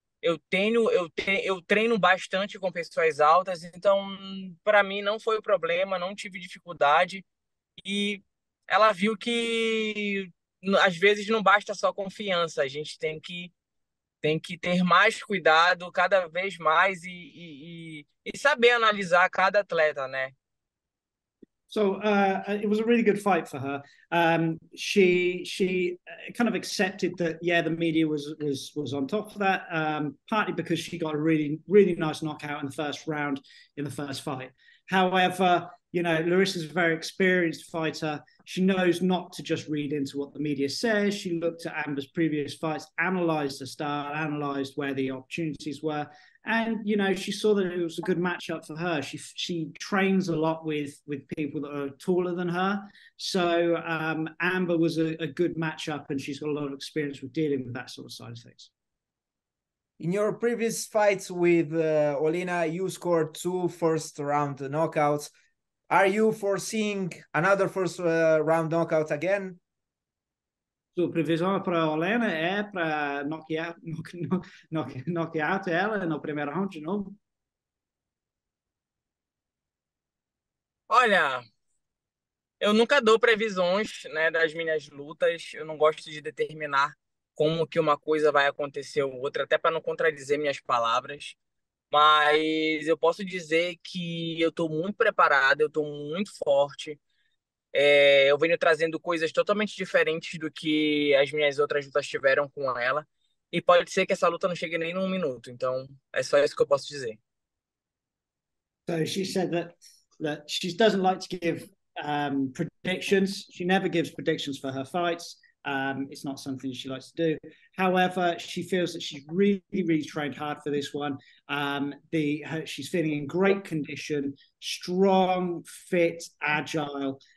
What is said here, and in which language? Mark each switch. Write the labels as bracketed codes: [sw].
[pt] Eu treino bastante com pessoas altas, então para mim não foi problema, não tive dificuldade. E ela viu que às vezes não basta só confiança, a gente tem que ter mais cuidado cada vez mais e saber analisar cada atleta, né? [en] So it was a really good fight for her. She kind of accepted that, yeah, the media was on top of that, partly because she got a really, really nice knockout in the first round in the first fight. However, you know, Larissa's a very experienced fighter. She knows not to just read into what the media says. She looked at Amber's previous fights, analyzed her style, analyzed where the opportunities were. And, you know, she saw that it was a good matchup for her. She trains a lot with people that are taller than her. So Amber was a good matchup, and she's got a lot of experience with dealing with that sort of side of things. In your previous fights with Olena, you scored 2 first round knockouts. Are you foreseeing another first round knockout again? [pt] Sua previsão para a Olena é para knockout ela no primeiro round de novo? Olha, eu nunca dou previsões, né, das minhas lutas. Eu não gosto de determinar como que uma coisa vai acontecer ou outra, até para não contradizer minhas palavras. Mas eu posso dizer que eu estou muito preparado, eu estou muito forte. Eu venho trazendo coisas totalmente diferentes do que as minhas outras lutas tiveram com ela. E pode ser que essa luta não chegue nem num minuto. Então, é só isso que eu posso dizer. [en] So she said that she doesn't like to give predictions. She never gives predictions for her fights. It's not something she likes to do. However, she feels that she's really, really trained hard for this one. She's feeling in great condition, strong, fit, agile.